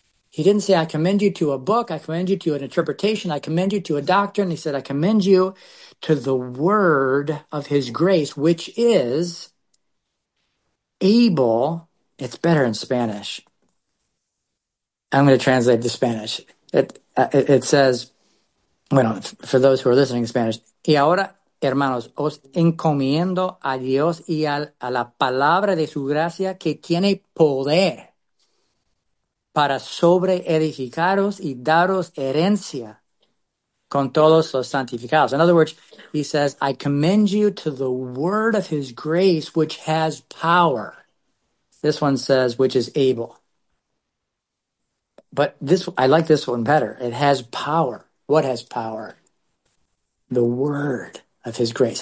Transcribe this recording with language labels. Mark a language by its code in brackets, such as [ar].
[en] He didn't say, I commend you to a book. I commend you to an interpretation. I commend you to a doctrine. He said, I commend you to the word of his grace, which is able. It's better in Spanish. I'm going to translate to Spanish. It says, [es] bueno, [en] for those who are listening in Spanish, [es] y ahora, hermanos, os encomiendo a Dios y a la palabra de su gracia que tiene poder para sobre edificaros y daros herencia con todos los santificados. [en] In other words, he says, I commend you to the word of his grace, which has power. This one says, which is able. But this, I like this one better. It has power. What has power? The word of his grace.